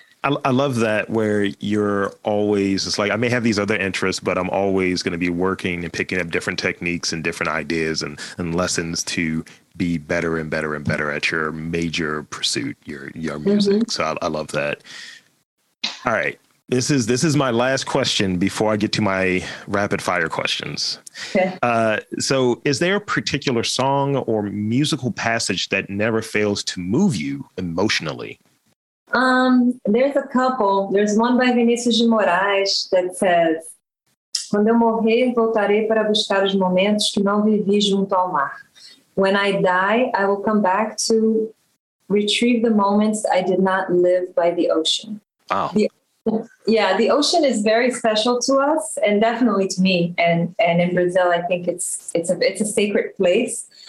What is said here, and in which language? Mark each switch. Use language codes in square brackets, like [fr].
[en] I love that, where you're always, it's like, I may have these other interests, but I'm always going to be working and picking up different techniques and different ideas and lessons to be better and better and better at your major pursuit, your music. Mm-hmm. So I love that. All right. This is my last question before I get to my rapid fire questions. Okay. So is there a particular song or musical passage that never fails to move you emotionally? There's a couple. There's one by Vinícius de Moraes that says, [pt] "Quando eu morrer, voltarei para buscar os momentos que não vivi junto ao mar. [en] When I die, I will come back to retrieve the moments I did not live by the ocean." Wow. The ocean is very special to us, and definitely to me. And in Brazil, I think it's a sacred place.